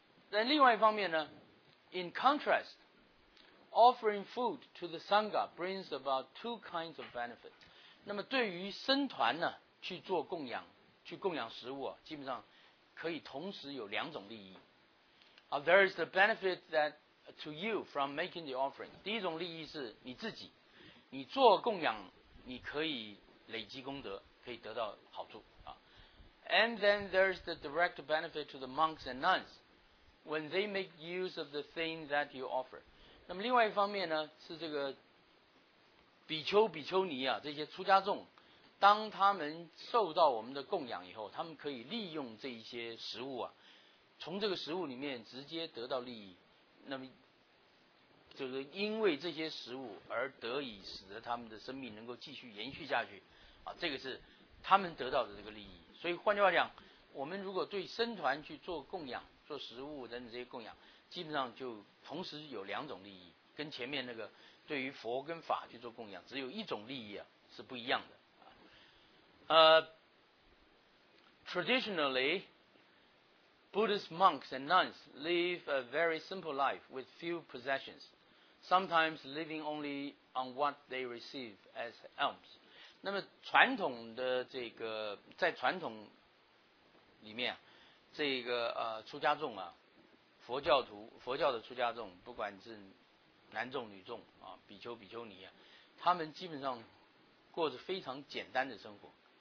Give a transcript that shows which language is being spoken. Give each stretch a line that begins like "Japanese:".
Chinese: 但另外一方面呢
English: ，in contrast， offering food to the sangha brings about two kinds of benefit。
Chinese: 那么对于僧团呢，去做供养，去供养食物啊，基本上可以同时有两种利益。
English: There is the benefit that to you from making the offering。
Chinese: 第一种利益是你自己，你做供养，你可以累积功德，可以得到好处啊。
English: And then there's the direct benefit to the monks and nuns when they make use of the thing that you offer。
Chinese: 那么另外一方面呢，是这个比丘、比丘尼啊，这些出家众，当他们受到我们的供养以后，他们可以利用这一些食物啊，从这个食物里面直接得到利益。那么就是因为这些食物而得以使得他们的生命能够继续延续下去啊，这个是他们得到的这个利益。所以换句话讲，我们如果对僧团去做供养，做食物等等这些供养，基本上就同时有两种利益，跟前面那个对于佛跟法去做供养只有一种利益啊是不一样的。
English: Traditionally, Buddhist monks and nuns live a very simple life with few possessions, sometimes living only on what they receive as alms.
Chinese: 那么传统的这个在传统里面，这个出家众啊，佛教徒佛教的出家众，不管是男众女众啊，比丘比丘尼啊，他们基本上过着非常简单的生活。